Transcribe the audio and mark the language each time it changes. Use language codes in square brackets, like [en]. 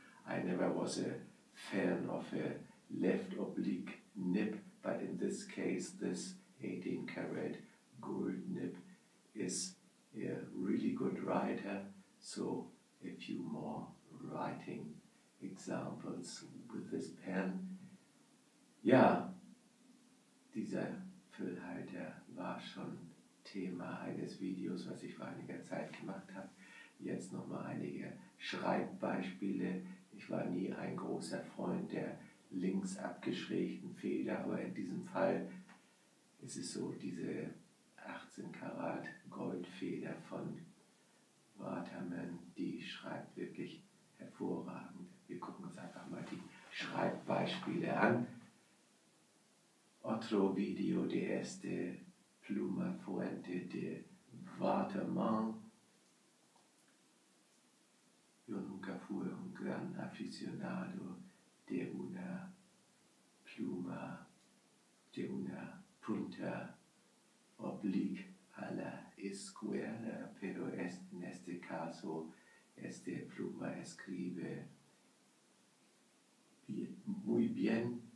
[en] I never was a fan of a left oblique nib, but in this case, this 18 karat gold nib is a really good writer, so a few more writing examples with this pen. [de] Ja, dieser Füllhalter war schon Thema eines Videos, was ich vor einiger Zeit gemacht habe. Jetzt nochmal einige Schreibbeispiele. Ich war nie ein großer Freund der links abgeschrägten Feder, aber in diesem Fall ist es so, diese 18 Karat Goldfeder von Waterman, die schreibt wirklich hervorragend. Wir gucken uns einfach mal die Schreibbeispiele an. [es] Otro video de este pluma fuente de Waterman. Yo nunca fui un gran aficionado de una pluma, de una punta oblique a la izquierda, pero en este caso, este pluma escribe muy bien.